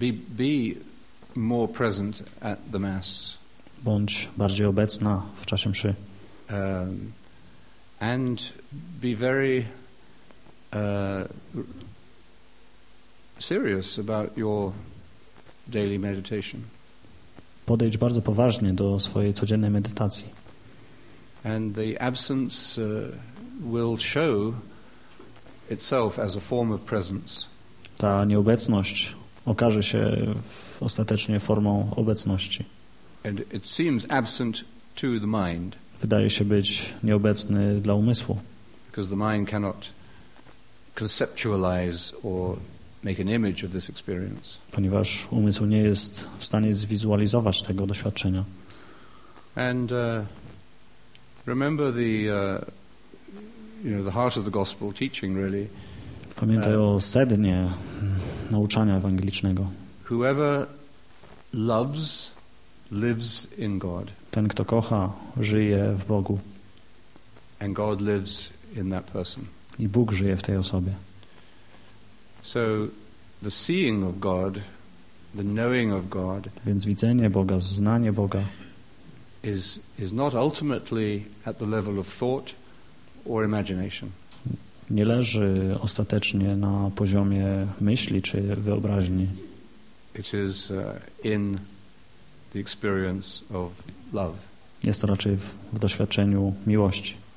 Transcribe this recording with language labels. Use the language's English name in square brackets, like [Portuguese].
[English] Be more present at the mass. [Polish] Bądź bardziej obecna w czasie mszy. [English] And be very serious about your daily meditation. [Polish] Podejdź bardzo poważnie do swojej codziennej medytacji. [English] And the absence will show itself as a form of presence. [Polish] Ta nieobecność okaże się ostatecznie formą obecności. [English] And it seems absent to the mind. [Polish] Wydaje się być nieobecny dla umysłu. [English] Because the mind cannot conceptualize or make an image of this experience. [Polish] Ponieważ umysł nie jest w stanie zwizualizować tego doświadczenia. [English] And remember the you know, the heart of the gospel teaching really. [Polish] Pamiętaj o sednie nauczania ewangelicznego. [English] Whoever loves lives in God. [Polish] Ten, kto kocha, żyje w Bogu. [English] And God lives in that person. [Polish] I Bóg żyje w tej osobie. [English] So the seeing of God, the knowing of God, [Polish] więc widzenie Boga, znanie Boga [English] is not ultimately at the level of thought or imagination. [Polish] Nie leży ostatecznie na poziomie myśli czy wyobraźni. [English] It is in the experience of love. [Polish] Jest to raczej w doświadczeniu miłości.